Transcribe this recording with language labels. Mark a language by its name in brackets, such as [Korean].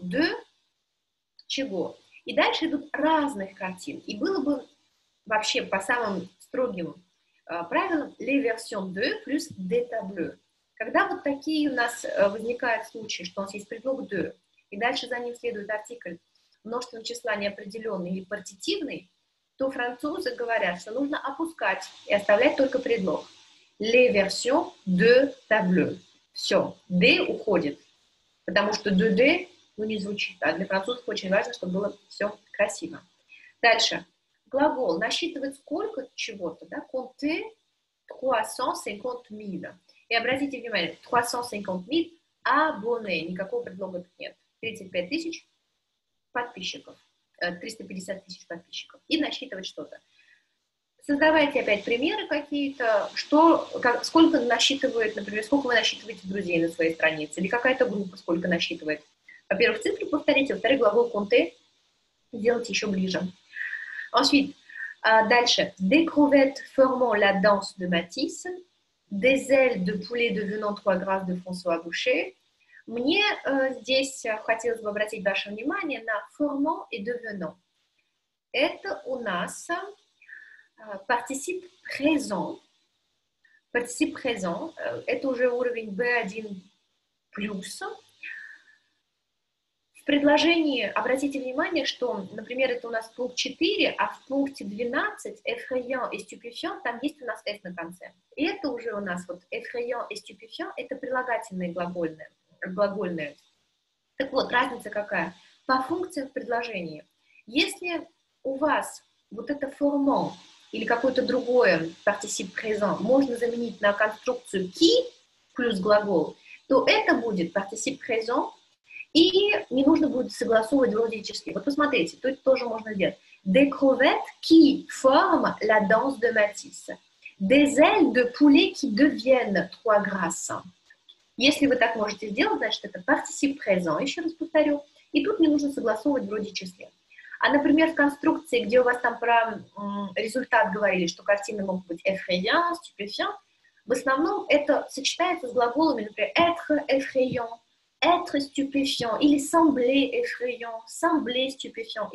[Russian] De чего? И дальше идут разных картин, и было бы вообще, по самым строгим правилам, [French] les versions de plus des tableaux. [Russian] Когда вот такие у нас возникают случаи, что у нас есть предлог de, и дальше за ним следует артикль множественного числа неопределенный или партитивный, то французы говорят, что нужно опускать и оставлять только предлог. [French] Les versions de tableaux. [Russian] Все, de уходит, потому что de, de, ну, не звучит. А для французов очень важно, чтобы было все красиво. Дальше. Глагол насчитывает сколько чего-то, да? [French] Compter 350 000. [Russian] И обратите внимание, 350 000 abonnés. Никакого предлога тут нет. 35 тысяч подписчиков. 350 тысяч подписчиков. И насчитывать что-то. Создавайте опять примеры какие-то. Сколько насчитывает, например, сколько вы насчитываете друзей на своей странице? Или какая-то группа сколько насчитывает? Во-первых, цифры повторите. Во-вторых, глагол compter сделайте еще ближе. Ensuite, дальше. [French] Découverte formant la danse de Matisse. Des ailes de poulet devenant trois grâces de François Boucher. [Russian] Мне здесь хотелось бы обратить ваше внимание на формо и девено. Это у нас партисип презон. Это уже уровень B1+. В предложении обратите внимание, что, например, это у нас пункт 4, а в пункте 12 effrayant и stupéfiant там есть у нас s на конце. И это уже у нас вот effrayant и stupéfiant — это прилагательные глагольные. Так вот, разница какая? По функциям в предложении. Если у вас вот это формо или какое-то другое particip présent можно заменить на конструкцию qui плюс глагол, то это будет particip présent, и не нужно будет согласовывать логически. Вот посмотрите, тут тоже можно сделать. [French] Découverte qui forme la danse de Matisse. Des ailes de poulet qui deviennent trois grâces. [Russian] Если вы так можете сделать, значит, это particip présent, еще раз повторю. И тут не нужно согласовывать вроде числе. А, например, в конструкции, где у вас там про результат говорили, что картины могут быть effrayant, stupéfiant, в основном это сочетается с глаголами, например, [French] être effrayant, être stupéfiant, [Russian] или [French] sembler effrayant, sembler stupéfiant.